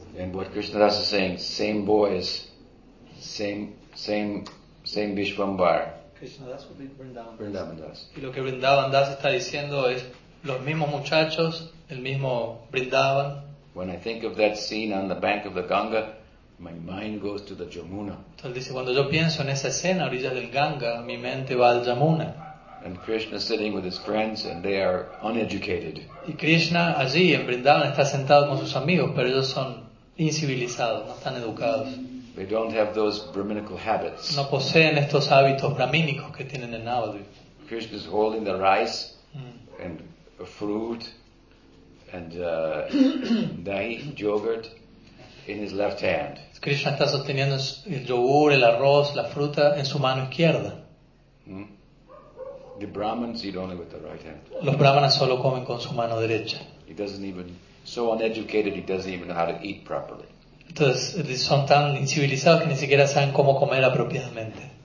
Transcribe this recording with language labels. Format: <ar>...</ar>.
<en>And what Krishna Das is saying, same boys, same Vishvambhar. Krishna Das would be Vrindavan. Vrindavan Das.</en> <es>Y lo que Vrindavan Das está diciendo es los mismos muchachos, el mismo Vrindavan.</es> <en>When I think of that scene on the bank of the Ganga, my mind goes to the Yamuna.</en> <es>Entonces dice, cuando yo pienso en esa escena a orillas del Ganga, mi mente va al Yamuna.</es> <en>And Krishna sitting with his friends and they are uneducated.</en> <es>Y Krishna allí en Vrindavan está sentado con sus amigos, pero ellos son incivilizados, no están educados.</es> <en>They don't have those brahminical habits.</en> <es>No poseen estos hábitos brahmínicos que tienen en Navadvip.</es> <en>Krishna is holding the rice and a fruit and dahi, yogurt, in his left hand.</en> <es>Krishna está sosteniendo el yogur, el arroz, la fruta en su mano izquierda.</es> <en>The Brahmins eat only with the right hand.</en> <es>Los brahmanas solo comen con su mano derecha.</es> <en>He doesn't even, so uneducated, he doesn't even know how to eat properly.</en> <es>Entonces son tan incivilizados que ni siquiera saben cómo comer apropiadamente.</es>